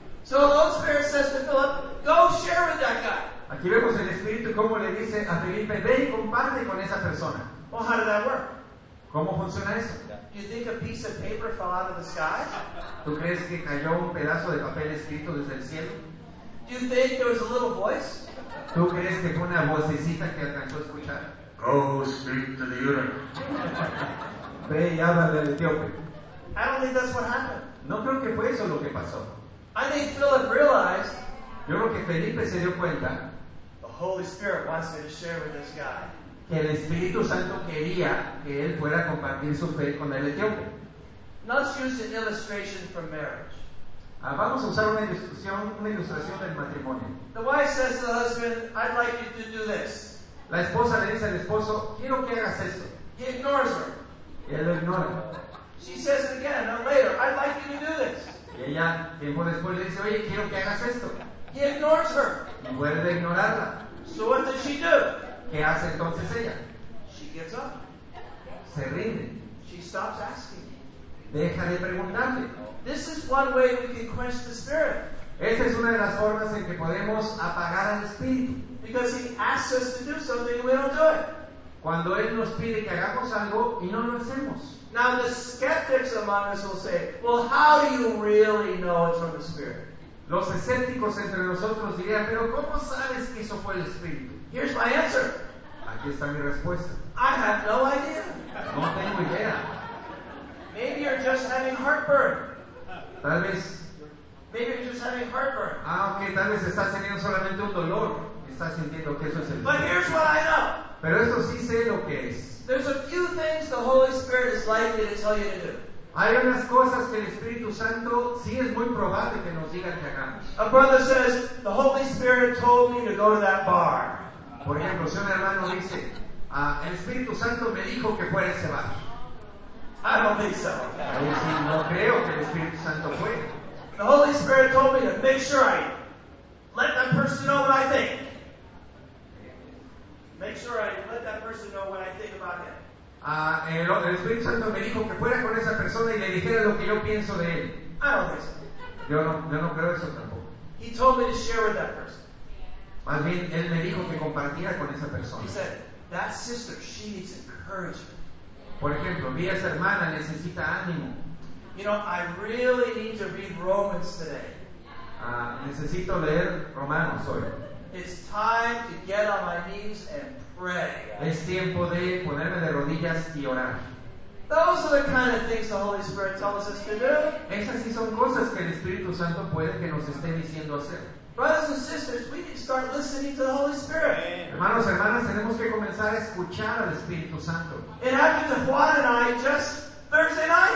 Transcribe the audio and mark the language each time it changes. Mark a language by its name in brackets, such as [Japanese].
[English] So the Holy Spirit says to Philip, go share with that guy. [Spanish] Aquí vemos el Espíritu como le dice a Felipe, ve y comparte con esa persona. [English] Well, how did that work? [Spanish] ¿Cómo funciona eso? [English] You think a piece of paper fell out of the sky? [Spanish] ¿Tú crees que cayó un pedazo de papel escrito desde el cielo? [English] Do you think there was a little voice? [Spanish] ¿Tú crees que fue una vocecita que alcanzó a escuchar? [English] Go speak to the eunuch. [Spanish] Ve y háblale al etíope. [English] I don't think that's what happened. [Spanish] No creo que fue eso lo que pasó. [English] I think Philip realized. [Spanish] Yo creo que Felipe se dio cuenta. [English] The Holy Spirit wants me to share with this guy. [Spanish] Que el Espíritu Santo quería que él fuera a compartir su fe con el etíope. [English] Let's use an illustration from marriage. [Spanish] Vamos a usar una ilustración del matrimonio. [English] The wife says to the husband, I'd like you to do this. [Spanish] La esposa le dice al esposo, quiero que hagas esto. [English] He ignores her. [Spanish] Y él lo ignora. [English] She says it again, no, later, I'd like you to do this. [Spanish] Y ella, tiempo después, le dice, oye, quiero que hagas esto. [English] He ignores her. [Spanish] Y vuelve a ignorarla. [English] So what does she do? [Spanish] ¿Qué hace entonces ella? [English] She gets up. [Spanish] Se rinde. [English] She stops asking. [Spanish] Deja de preguntarle. [English] This is one way we can quench the Spirit. [Spanish] Esta es una de las formas en que podemos apagar al Espíritu. [English] Because he asks us to do something, we don't do it. [Spanish] Cuando él nos pide que hagamos algo y no lo hacemos. [English] Now the skeptics among us will say, well, how do you really know it's from the Spirit? [Spanish] Los escépticos entre nosotros dirían, pero ¿cómo sabes que eso fue el Espíritu? [English] Here's my answer. [Spanish] Aquí está mi respuesta. [English] I have no idea. [Spanish] No tengo idea. [English] Maybe you're just having heartburn. [Spanish] Tal vez. [English] Maybe you're just having heartburn. [Spanish] Tal vez estás teniendo solamente un dolor. Estás sintiendo que eso es el dolor. [English] But here's what I know. [Spanish] Pero esto sí sé lo que es. [English] There's a few things the Holy Spirit is likely to tell you to do. [Spanish] Hay unas cosas que el Espíritu Santo sí es muy probable que nos diga que hagamos. [English] A brother says, the Holy Spirit told me to go to that bar. [Spanish] Por ejemplo, si un hermano dice, el Espíritu Santo me dijo que fuera a ese bar. [English] I don't think so. [Spanish] No creo que el Espíritu Santo fue. [English] The Holy Spirit told me to make sure I let that person know what I think. Make sure I let that person know what I think about him. [Spanish] El Espíritu Santo me dijo que fuera con esa persona y le dijera lo que yo pienso de él. [English] I don't think so. [Spanish] Yo no creo eso tampoco. [English] He told me to share with that person. [Spanish] Más bien, él me dijo que compartiera con esa persona. [English] He said, that sister, she needs encouragement. [Spanish] Por ejemplo, vi a esa hermana, necesita ánimo. [English] You know, I really need to read Romans today. [Spanish] Necesito leer Romanos hoy. [English] It's time to get on my knees and pray. [Spanish] Es tiempo de ponerme de rodillas y orar. [English] Those are the kind of things the Holy Spirit tells us to do. [Spanish] Esas sí son cosas que el Espíritu Santo puede que nos esté diciendo hacer. [English] Brothers and sisters, we need to start listening to the Holy Spirit. [Spanish] Hermanos, hermanas, tenemos que comenzar a escuchar al Espíritu Santo. [English] It happened to Juan and I just Thursday night.